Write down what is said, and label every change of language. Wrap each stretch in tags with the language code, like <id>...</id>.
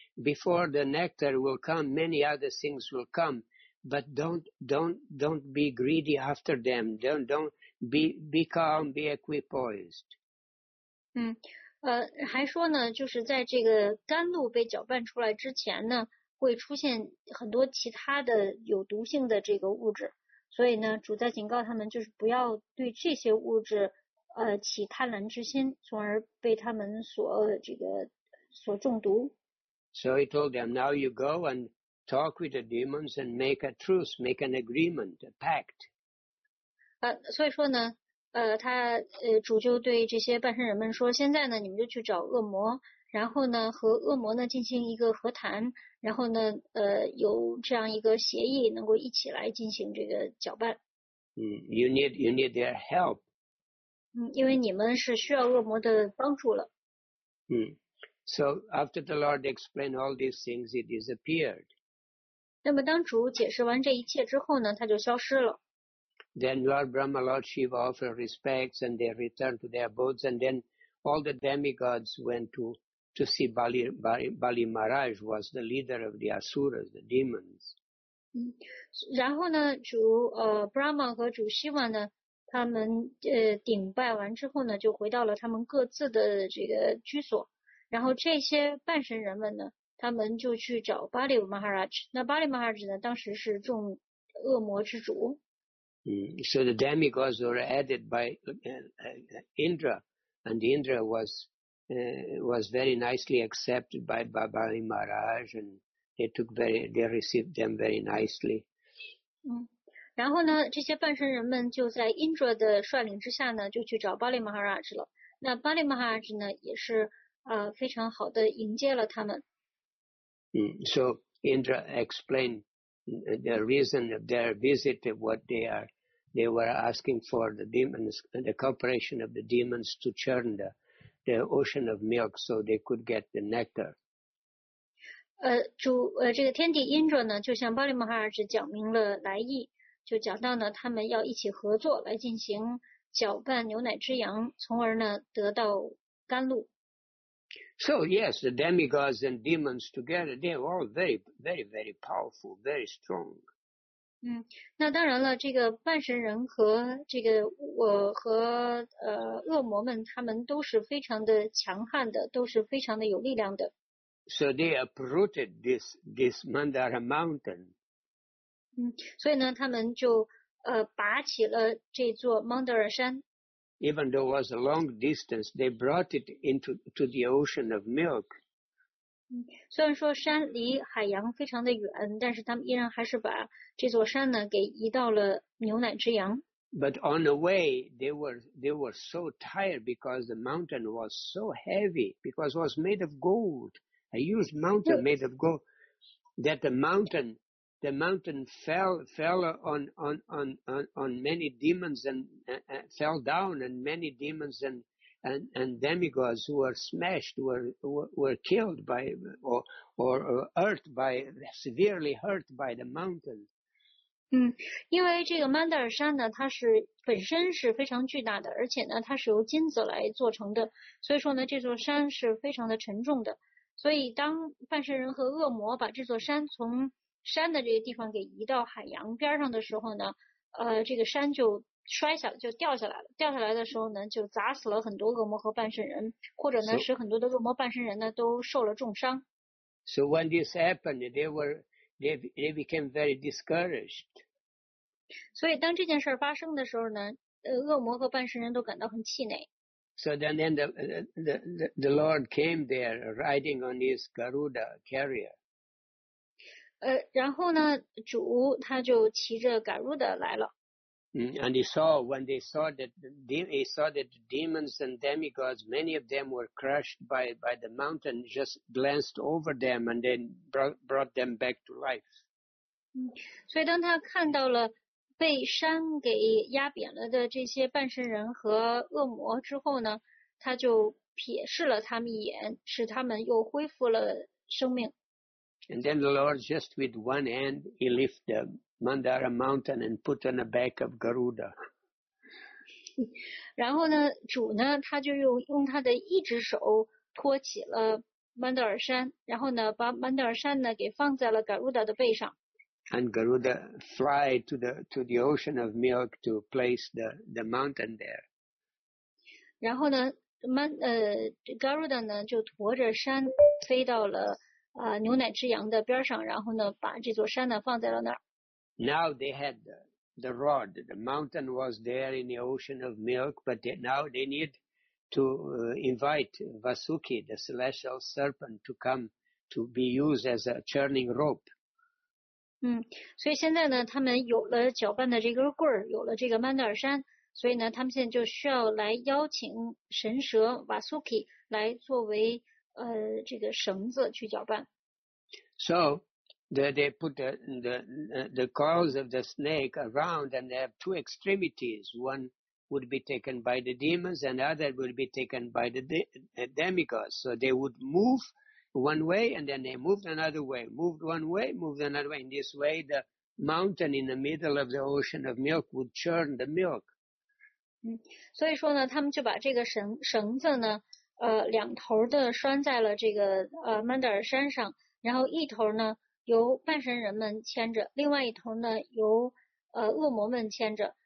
<en>Before the nectar will come, many other things will come, but don't be greedy after them. Don't be calm, be equipoised.</en> <zh>还说呢，就是在这个甘露被搅拌出来之前呢，会出现很多其他的有毒性的这个物质，所以呢，主在警告他们，就是不要对这些物质起贪婪之心，从而被他们所中毒。</zh> <en>So he told them, now you go and talk with the demons and make a truce, make an agreement, a pact.</en> <zh>所以说呢，他主就对这些半神人们说，现在呢，你们就去找恶魔，然后呢，和恶魔呢进行一个和谈，然后呢，有这样一个协议，能够一起来进行这个搅拌。</zh> <en>You need their help.</en> <zh>因为你们是需要恶魔的帮助了。</zh> <en>So after the Lord explained all these things, he disappeared.</en> <zh>那么当主解释完这一切之后呢，他就消失了。</zh> <en>Then Lord Brahma, Lord Shiva offered respects and they returned to their abodes. And then all the demigods went to see Bali Maharaj, was the leader of the Asuras, the demons.</en> <zh>然后呢，主Brahma 和主 Shiva 呢，他们顶拜完之后呢，就回到了他们各自的这个居所。然后这些半神人们呢，他们就去找巴利马哈拉什。那巴利马哈拉什呢，当时是众恶魔之主。</zh> <en>So the demigods were added by Indra, and Indra was very nicely accepted by Bali Maharaj and They received them very nicely.</en> <zh>嗯，然后呢，这些半神人们就在 Indra 的率领之下呢，就去找 Bali Maharaj 了。那 Bali Maharaj 呢，也是非常好的迎接了他们。</zh> <en>嗯 ，So Indra explained the reason of their visit, what they were asking for the demons, the cooperation of the demons to churn the ocean of milk, so they could get the nectar.</en> <zh>这个天帝 Indra 呢，就向巴利马哈尔志讲明了来意，就讲到呢，他们要一起合作来进行搅拌牛奶之羊，从而呢得到甘露。</zh> <en>So yes, the demigods and demons together, they are all very, very, very powerful, very strong.</en> <zh>嗯，那当然了，这个半神人和这个我和恶魔们，他们都是非常的强悍的，都是非常的有力量的。</zh> <en>So they uprooted this Mandara mountain.</en> <zh>嗯，所以呢，他们就拔起了这座 Mandara 山。</zh> <en>Even though it was a long distance, they brought it into the ocean of milk.</en> <zh>嗯，虽然说山离海洋非常的远，但是他们依然还是把这座山呢给移到了牛奶之洋。</zh> <en>But on the way, they were so tired because the mountain was so heavy, because it was made of gold. A huge mountain made of gold, that the mountain fell on many demons and fell down, and many demons and demigods who were smashed were killed by or hurt by severely hurt by the mountain.</en> <zh>嗯，因为这个曼德尔山呢，它是本身是非常巨大的，而且呢，它是由金子来做成的，所以说呢，这座山是非常的沉重的。所以当半神人和恶魔把这座山从山的这个地方给移到海洋边上的时候呢，这个山就摔下了，就掉下来了。掉下来的时候呢，就砸死了很多恶魔和半神人，或者呢，使很多的恶魔半神人呢都受了重伤。</zh> <en>So when this happened, they became very discouraged.</en> <zh>所以当这件事发生的时候呢，恶魔和半神人都感到很气馁。</zh> <en>So then the Lord came there riding on his Garuda carrier.</en> <zh>然后呢，主他就骑着 Garuda 来了。</zh> <en>And he saw when they saw that he saw that demons and demigods, many of them were crushed by the mountain, just glanced over them and then brought them back to life.</en> <zh>所以当他看到了被山给压扁了的这些半神人和恶魔之后呢，他就瞥视了他们一眼，使他们又恢复了生命。</zh> <en>And then the Lord just with one hand, he lift the Mandara mountain and put on the back of Garuda.</en> <zh>然后呢，主呢，他就用他的一只手托起了曼德尔山，然后呢，把曼德尔山呢给放在了 Garuda 的背上。</zh> <en>And Garuda fly to the ocean of milk to place the mountain there.</en> <zh>然后呢，Garuda 呢就驮着山飞到了牛奶之羊的边上，然后呢把这座山呢放在了那儿。</zh> <en>Now they had the rod. The mountain was there in the ocean of milk, but now they need to invite Vasuki, the celestial serpent, to come to be used as a churning rope.</en> <zh>嗯，所以现在呢，他们有了搅拌的这根棍儿，有了这个曼德尔山，所以呢，他们现在就需要来邀请神蛇瓦苏基来作为这个绳子去搅拌。</zh> <en>So they put the coils of the snake around, and they have two extremities. One would be taken by the demons, and other would be taken by the demigods. So they would move. One way, and then they moved another way, moved one way, moved another way. In this way, the mountain in the middle of the ocean of milk would churn the milk.</en> <zh>嗯，所以说呢，他们就把这个绳子呢，两头的拴在了这个曼德尔山上，然后一头呢由半神人们牵着，另外一头呢由恶魔们牵着。</zh>